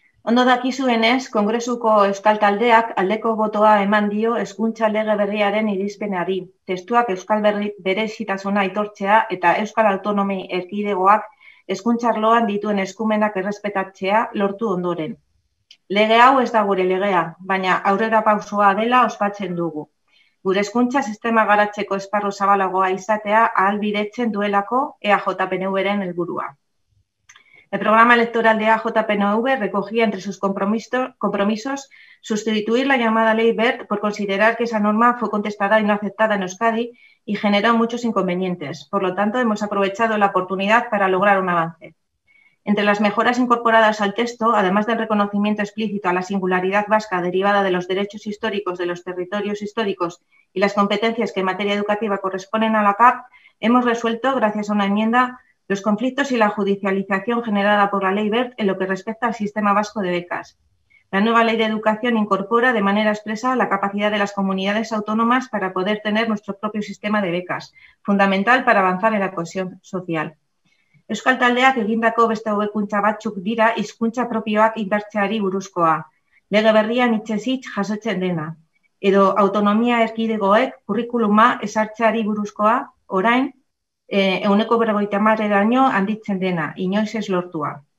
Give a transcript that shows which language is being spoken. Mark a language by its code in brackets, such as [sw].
[eu] Ondo dakizuenez, Kongresuko Euskal Taldeak aldeko botoa eman dio hezkuntza lege berriaren irizpenari, testuak Euskal berezitasuna aitortzea eta Euskal Autonomi Erkidegoak hezkuntza arloan dituen eskumenak errespetatzea lortu ondoren. Lege hau ez da gure legea, baina aurrera pausoa dela ospatzen dugu. Gure hezkuntza sistema garatzeko esparru zabalagoa izatea ahalbidetzen duelako EAJPNV-ren helburua. [es] El programa electoral de AJPNV recogía entre sus compromisos sustituir la llamada ley BERT por considerar que esa norma fue contestada y no aceptada en Euskadi y generó muchos inconvenientes. Por lo tanto, hemos aprovechado la oportunidad para lograr un avance. Entre las mejoras incorporadas al texto, además del reconocimiento explícito a la singularidad vasca derivada de los derechos históricos de los territorios históricos y las competencias que en materia educativa corresponden a la CAP, hemos resuelto, gracias a una enmienda, los conflictos y la judicialización generada por la ley BERT en lo que respecta al sistema vasco de becas. La nueva ley de educación incorpora de manera expresa la capacidad de las comunidades autónomas para poder tener nuestro propio sistema de becas, fundamental para avanzar en la cohesión social. [eu] Euskal Taldeak egindako beste hobekuntza batzuk dira hizkuntza propioak indartzeari buruzkoa, lege berrian hitzez hitz jasotzen dena, edo autonomia erkidegoek kurrikuluma ezartzeari buruzkoa orain, euneko berrogeita hamareraino handitzen dena, inoiz ez lortua.